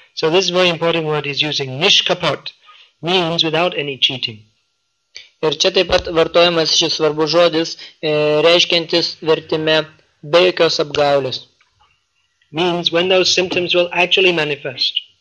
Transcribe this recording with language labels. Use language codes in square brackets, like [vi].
[en] So this is very important word he's using. Nishkapat means without any cheating. [lt] Ir čia taip pat vartojamas šis svarbus žodis, reiškiantis vertime be jokios apgaulės. [en] Means when those symptoms will actually manifest.